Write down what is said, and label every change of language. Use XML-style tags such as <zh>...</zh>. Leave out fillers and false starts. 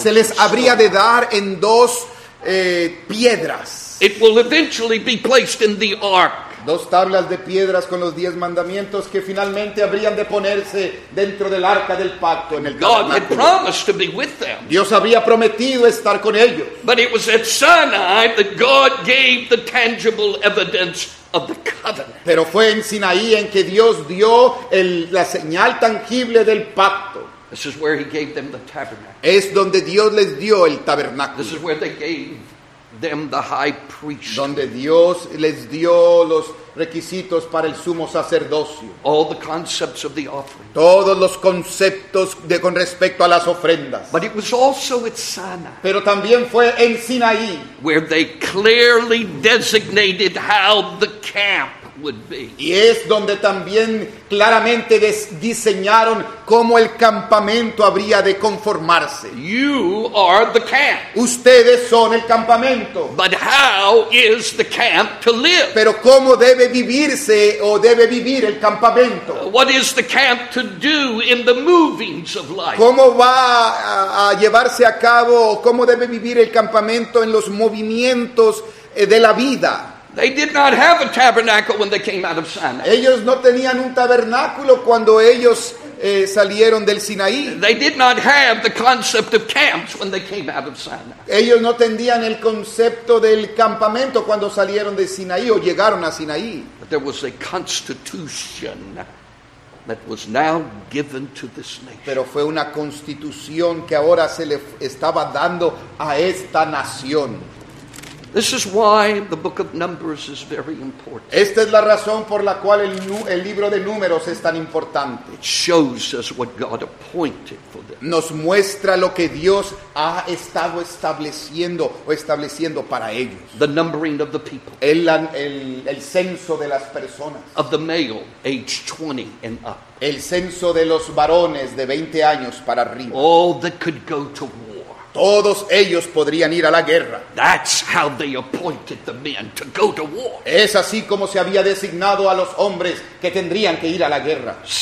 <es>Se les habría de dar en 2 piedras.</es> <en>It will eventually be placed in the ark.</en> <es>2 tablas de piedras con los 10 mandamientos que finalmente habrían de ponerse dentro del arca del pacto en el</es> <en>God had promised to be with them.</en> <es>Dios había prometido estar con ellos.</es> <en>But it was at Sinai that God gave the tangible evidence of the covenant.</en> <es>Pero fue en Sinaí en que Dios dio la señal tangible del pacto.</es> <en>This is where he gave them the tabernacle.</en> <es>Es donde Dios les dio el tabernáculo.</es> <en>This is where they gave them the high priest.</en> <es>Donde Dios les dio los requisitos para el sumo sacerdocio.</es> <en>All the concepts of the offering.</en> <es>Todos los conceptos con respecto a las ofrendas.</es> <en>But it was also at Sinai.</en> <es>Pero también fue en Sinaí.</es> <en>Where they clearly designated how the camp would be.</en> <es>Y es donde también claramente diseñaron cómo el campamento habría de conformarse.</es> <en>You are the camp.</en> <es>Ustedes son el campamento.</es> <en>But how is the camp to live?</en> <es>Pero cómo debe vivirse o debe vivir el campamento.</es> <en>What is the camp to do in the movings of life?</en> <es>¿Cómo va a llevarse a cabo o cómo debe vivir el campamento en los movimientos de la vida?</es> <en>They did not have a tabernacle when they came out of Sinai.</en> <es>Ellos no tenían un tabernáculo cuando ellos salieron del Sinaí.</es> <en>They did not have the concept of camps when they came out of Sinai.</en> <es>Ellos no tenían el concepto del campamento cuando salieron de Sinaí o llegaron a Sinaí.</es> <en>But there was a constitution that was now given to this nation.</en> <es>Pero fue una constitución que ahora se le estaba dando a esta nación.</es> <en>This is why the book of Numbers is very important.</en> <es>Esta es la razón por la cual el libro de Números es tan importante.</es> <en>It shows us what God appointed for them.</en> <es>Nos muestra lo que Dios ha estado estableciendo o estableciendo para ellos.</es> <en>The numbering of the people.</en> <es>El censo de las personas.</es> <en>Of the male, age 20 and up.</en> <es>El censo de los varones de 20 años para arriba.</es> <en>All that could go to war.</en> <es>Todos ellos podrían ir a la guerra.</es> <en>That's how they appointed the men to go to war.</en> <es>Es así como se había designado a los hombres que tendrían que ir a la guerra.</es>